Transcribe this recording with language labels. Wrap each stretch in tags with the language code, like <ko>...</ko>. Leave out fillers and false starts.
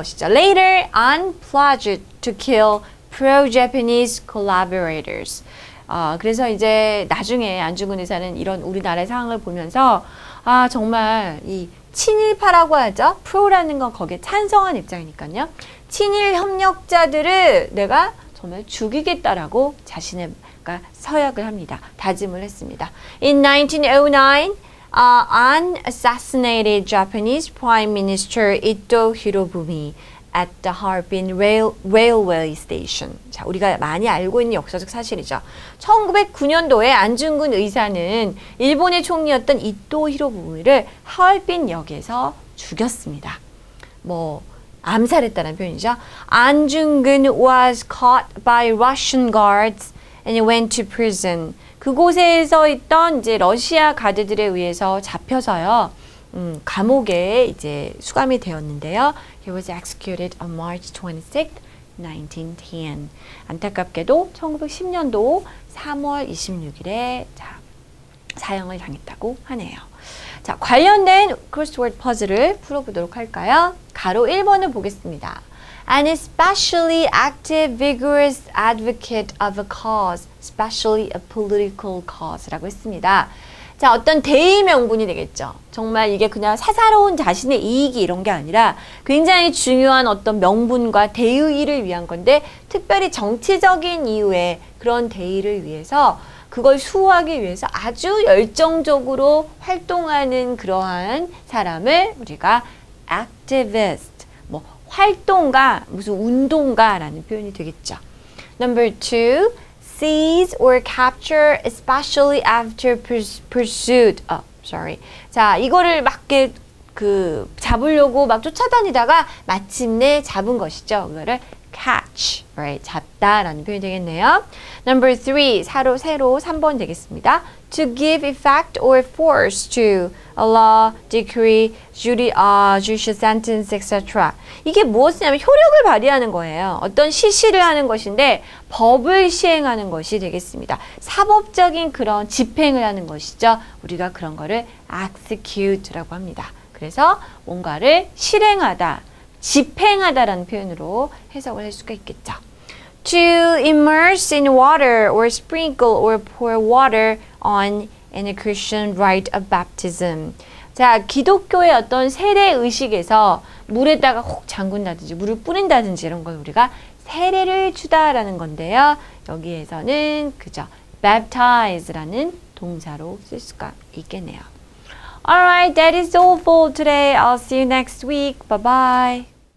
<en>Later on pledged to kill pro-Japanese collaborators.</en> <ko>그래서 이제 나중에 안중근 의사는 이런 우리나라의 상황을 보면서 아 정말 이 친일파라고 하죠. 프로라는 건 거기에 찬성한 입장이니까요. 친일 협력자들을 내가 정말 죽이겠다라고 자신의 그러니까 서약을 합니다. 다짐을 했습니다.</ko> <en>In 1909, An assassinated Japanese Prime Minister Ito Hirobumi at the Harbin Railway Station.</en> <ko>자, 우리가 많이 알고 있는 역사적 사실이죠. 1909년도에 안중근 의사는 일본의 총리였던 이토 히로부미를 하얼빈역에서 죽였습니다. 뭐 암살했다는 표현이죠.</ko> <en>안중근 was caught by Russian guards and went to prison.</en> <ko>그곳에서 있던 이제 러시아 가드들에 의해서 잡혀서요. 감옥에 이제 수감이 되었는데요.</ko> <en>He was executed on March 26th, 1910.</en> <ko>안타깝게도 1910년도 3월 26일에 사형을 당했다고 하네요. 자, 관련된 crossword puzzle를 풀어보도록 할까요? 가로 1번을 보겠습니다.</ko> <en>An especially active, vigorous advocate of a cause, especially a political cause라고</en> <ko>했습니다. 자, 어떤 대의명분이 되겠죠. 정말 이게 그냥 사사로운 자신의 이익이 이런 게 아니라 굉장히 중요한 어떤 명분과 대의를 위한 건데 특별히 정치적인 이유에 그런 대의를 위해서 그걸 수호하기 위해서 아주 열정적으로 활동하는 그러한 사람을 우리가 activist, 뭐 활동가, 무슨 운동가라는 표현이 되겠죠.</ko> <en>Number two. Seize or capture, especially after pursuit. Sorry.</en> <ko>자, 이거를 막게 그 잡으려고 막 쫓아다니다가 마침내 잡은 것이죠. 이거를</ko> <en>catch, right?</en> <ko>잡다라는 표현이 되겠네요.</ko> <en>Number three,</en> <ko>사로 세로 3번 되겠습니다.</ko> <en>To give effect or force to a law, decree, judicial sentence, etc.</en> <ko>이게 무엇이냐면 효력을 발휘하는 거예요. 어떤 실시를 하는 것인데 법을 시행하는 것이 되겠습니다. 사법적인 그런 집행을 하는 것이죠. 우리가 그런 거를 execute라고 합니다. 그래서 뭔가를 실행하다, 집행하다라는 표현으로 해석을 할 수가 있겠죠.</ko> <en>To immerse in water or sprinkle or pour water on in a Christian rite of baptism.</en> <ko>자, 기독교의 어떤 세례 의식에서 물에다가 혹 잠근다든지 물을 뿌린다든지 이런 걸 우리가 세례를 주다라는 건데요. 여기에서는 그저 baptize라는 동사로 쓸 수가 있겠네요.</ko> <en>Alright, that is all for today. I'll see you next week. Bye-bye.</en>